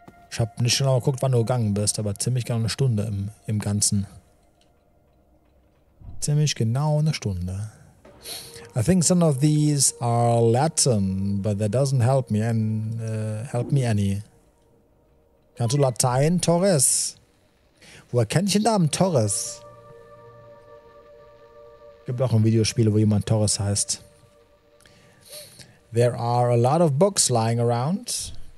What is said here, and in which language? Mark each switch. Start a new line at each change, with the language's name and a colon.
German: Ich hab nicht genau geguckt, wann du gegangen bist, aber ziemlich genau eine Stunde im Ganzen. Ziemlich genau eine Stunde.
English: I think some of these are Latin, but that doesn't help me and help me any.
German: Kannst du Latein, Torres? Woher kenn ich den Namen Torres? Gibt auch ein Videospiel, wo jemand Torres heißt.
English: There are a lot of books lying around.